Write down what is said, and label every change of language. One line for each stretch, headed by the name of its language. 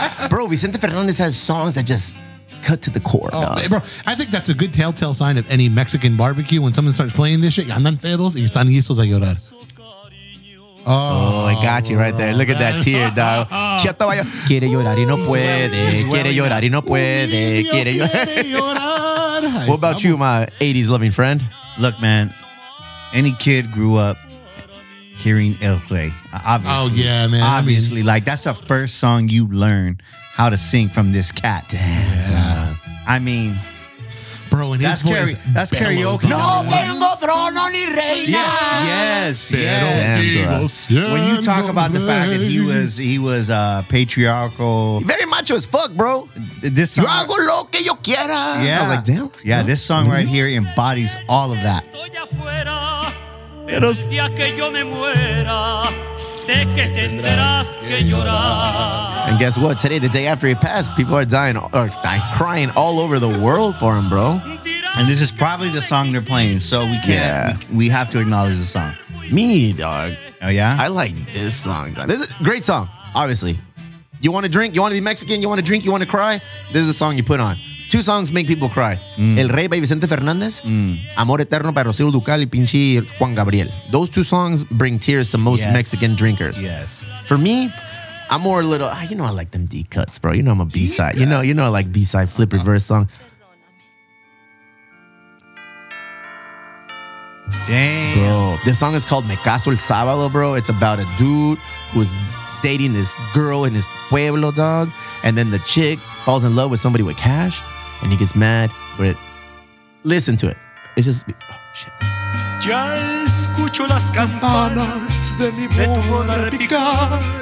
English: Bro, Vicente Fernandez has songs that just cut to the core. Oh, no. Bro, I think that's a good telltale sign of any Mexican barbecue. When someone starts playing this shit,
Spanish: andan pedos y están listos a llorar.
English: Oh, I got you right there. Look at that tear, dog.
Spanish: Quiere llorar y no puede. Quiere llorar y no puede. Quiere llorar.
English: What about you, my 80s loving friend? Look, man, any kid grew up hearing El Rey, obviously. Oh, yeah, man. Obviously. I mean, like, that's the first song you learn how to sing from this cat. Damn. Yeah. I mean, bro, and his voice. That's karaoke.
Spanish: No tengo trono ni reina.
English: Yes. Damn, when you talk about the fact that he was patriarchal. Very macho as fuck, bro. This song.
Spanish: Yo hago lo que yo quiera.
English: Yeah. I was like, damn. Yeah, this song right here embodies all of that.
Spanish: Pero si a que yo me muera, sé que tendrás que llorar.
English: And guess what? Today, the day after he passed, people are dying or crying all over the world for him, bro. And this is probably the song they're playing, so we can't. Yeah. We have to acknowledge the song. Me, dog. Oh, yeah? I like this song, dog. This is a great song, obviously. You want to drink? You want to be Mexican? You want to drink? You want to cry? This is a song you put on. Two songs make people cry. Mm. El Rey by Vicente Fernandez. Mm. Amor Eterno by Rocío Dúrcal y pinche Juan Gabriel. Those two songs bring tears to most Mexican drinkers. Yes. For me, I'm more a little, you know I like them D cuts, bro. You know I'm a B-side. You know I like B-side flip reverse song. Damn. Bro, this song is called Me Caso el Sábado, bro. It's about a dude who's dating this girl in his pueblo, dog. And then the chick falls in love with somebody with cash and he gets mad. But listen to it. It's just, shit.
Spanish: Ya escucho las campanas de mi pueblo repicar.